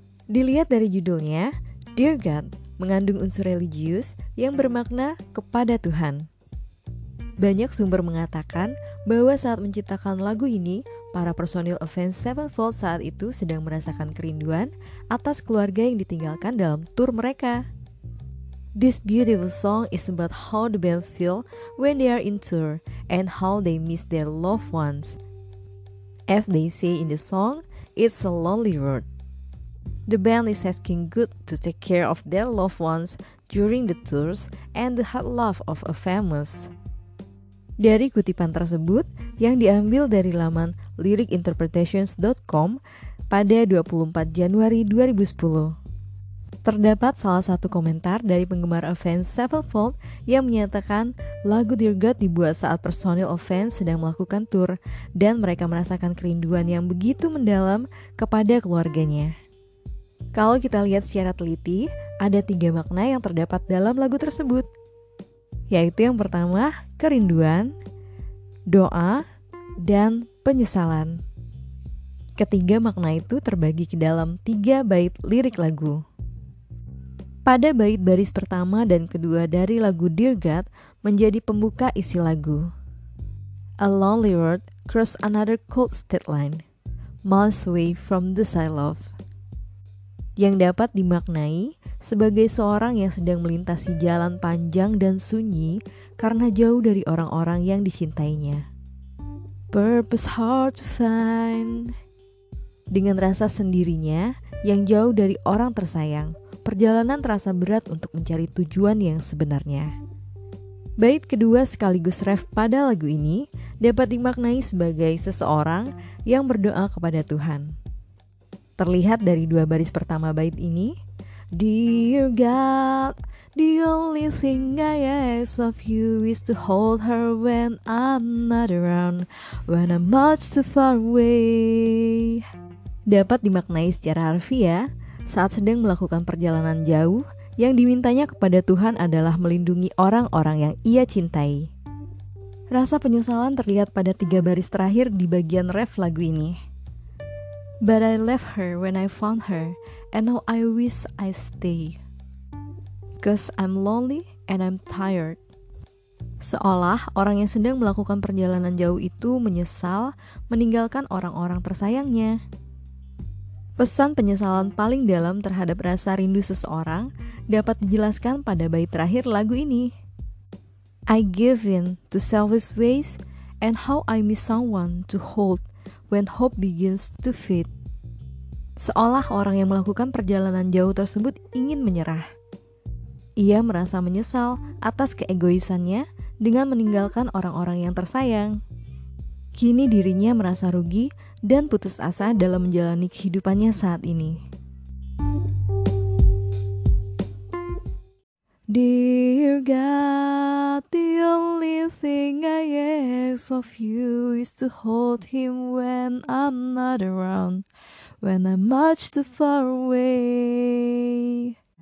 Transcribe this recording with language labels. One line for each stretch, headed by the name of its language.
Indonesian: Dilihat dari judulnya, Dear God mengandung unsur religius yang bermakna kepada Tuhan. Banyak sumber mengatakan bahwa saat menciptakan lagu ini, para personil Avenged Sevenfold saat itu sedang merasakan kerinduan atas keluarga yang ditinggalkan dalam tur mereka.
English: This beautiful song is about how the band feel when they are in tour and how they miss their loved ones. As they say in the song, it's a lonely road. The band is asking God to take care of their loved ones during the tours and the hard life of a famous.
Indonesian: Dari kutipan tersebut yang diambil dari laman lyricinterpretations.com pada 24 Januari 2010. Terdapat salah satu komentar dari penggemar Avenged Sevenfold yang menyatakan lagu Dear God dibuat saat personil Avenged sedang melakukan tour dan mereka merasakan kerinduan yang begitu mendalam kepada keluarganya. Kalau kita lihat secara teliti, ada tiga makna yang terdapat dalam lagu tersebut. Yaitu yang pertama, kerinduan, doa, dan penyesalan. Ketiga makna itu terbagi ke dalam tiga bait lirik lagu. Pada bait baris pertama dan kedua dari lagu Dear God menjadi pembuka isi lagu.
English: A lonely road cross another cold state line, miles away from the side love.
Indonesian: Yang dapat dimaknai sebagai seorang yang sedang melintasi jalan panjang dan sunyi karena jauh dari orang-orang yang dicintainya.
English: Purpose hard to find.
Indonesian: Dengan rasa sendirinya yang jauh dari orang tersayang, perjalanan terasa berat untuk mencari tujuan yang sebenarnya. Bait kedua sekaligus ref pada lagu ini dapat dimaknai sebagai seseorang yang berdoa kepada Tuhan. Terlihat dari dua baris pertama bait ini,
English: Dear God, the only thing I ask of you is to hold her when I'm not around, when I'm much too far away.
Indonesian: Dapat dimaknai secara harfiah, saat sedang melakukan perjalanan jauh, yang dimintanya kepada Tuhan adalah melindungi orang-orang yang ia cintai. Rasa penyesalan terlihat pada tiga baris terakhir di bagian ref lagu ini.
English: But I left her when I found her, and now I wish I stay. 'Cause I'm lonely and I'm tired.
Indonesian: Seolah orang yang sedang melakukan perjalanan jauh itu menyesal meninggalkan orang-orang tersayangnya. Pesan penyesalan paling dalam terhadap rasa rindu seseorang dapat dijelaskan pada bait terakhir lagu ini.
English: I give in to selfish ways and how I miss someone to hold when hope begins to fade.
Indonesian: Seolah orang yang melakukan perjalanan jauh tersebut ingin menyerah. Ia merasa menyesal atas keegoisannya dengan meninggalkan orang-orang yang tersayang. Kini dirinya merasa rugi dan putus asa dalam menjalani kehidupannya saat ini.
English: Dear God, the only thing I ask of you is to hold him when I'm not around, when I'm much too far away.